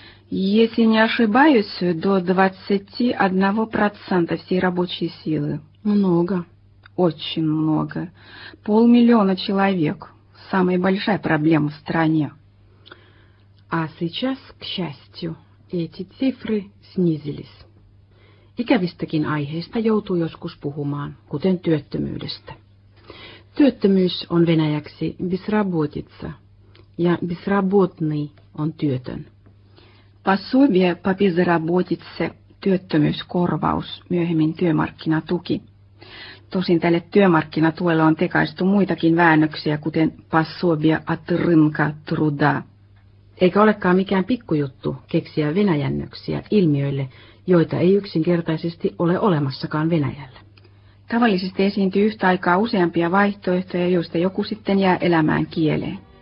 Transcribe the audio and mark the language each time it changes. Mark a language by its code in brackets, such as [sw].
[ru] Если не ошибаюсь, до 21% всей рабочей силы. Много. Очень много. 500 000 человек. Самая большая проблема в стране. А сейчас, к счастью, эти цифры снизились. [fi] Ikävistäkin aiheista joutuu joskus puhumaan, kuten työttömyydestä. Työttömyys on venäjäksi безработица, ja безработный on työtön. [ru] Пособие по безработице, [fi] työttömyyskorvaus, myöhemmin työmarkkinatuki. Tosin tälle työmarkkinatuelle on tekaistu muitakin väännöksiä, kuten passuobia att rymka truda. Eikä olekaan mikään pikkujuttu keksiä venäjännöksiä ilmiöille, joita ei yksinkertaisesti ole olemassakaan Venäjällä. Tavallisesti esiintyy yhtä aikaa useampia vaihtoehtoja, joista joku sitten jää elämään kieleen.